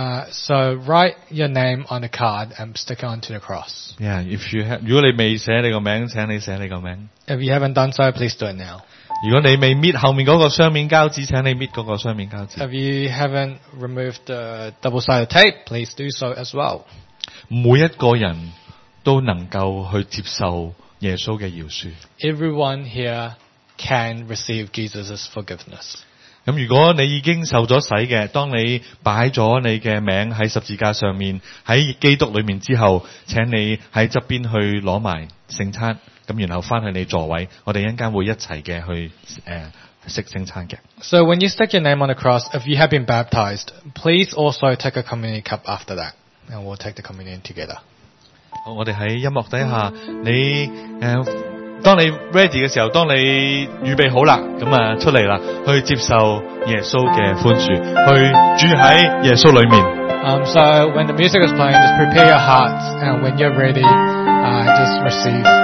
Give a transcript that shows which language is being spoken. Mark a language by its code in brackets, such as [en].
[en] So write your name on the card and stick it onto the cross. Yeah, if you [yue] 你未写你个名，请你写你个名。 [en] If you haven't done so, please do it now. [yue] 如果你未搣后面嗰个双面胶纸，请你搣嗰个双面胶纸。 [en] If you haven't removed the double-sided tape, please do so as well. [yue] 每一个人都能够去接受耶稣嘅饶恕。 [en] Everyone here can receive Jesus' forgiveness. [yue] 咁如果你已经受咗洗嘅，当你摆咗你嘅名喺十字架上面，喺基督里面之后，请你喺侧边去攞埋圣餐。咁然后翻去你座位，我哋一阵间会一齐嘅去食圣餐嘅。 [en] So when you stick your name on the cross, if you have been baptized, please also take a communion cup after that, and we'll take the communion together. [yue] 好，我哋喺音乐底下，你当你 ready 嘅时候，当你预备好啦，咁出嚟啦，去接受耶稣嘅宽恕，去住喺耶稣里面。 [en] So when the music is playing, just prepare your heart, and when you're ready, just receive.